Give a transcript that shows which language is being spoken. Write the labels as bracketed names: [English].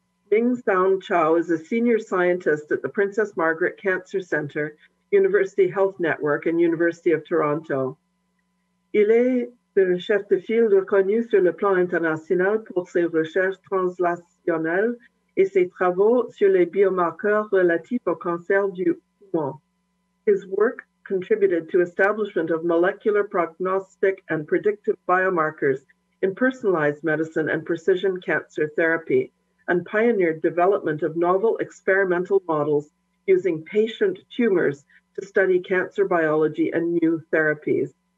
[English] Ming-Sound Chow is a senior scientist at the Princess Margaret Cancer Center, University Health Network, and University of Toronto. [French] Il est un chef de file reconnu sur le plan international pour ses recherches translationnelles et ses travaux sur les biomarqueurs relatifs au cancer du poumon. [English] His work contributed to establishment of molecular prognostic and predictive biomarkers in personalized medicine and precision cancer therapy, and pioneered development of novel experimental models using patient tumors to study cancer biology and new therapies.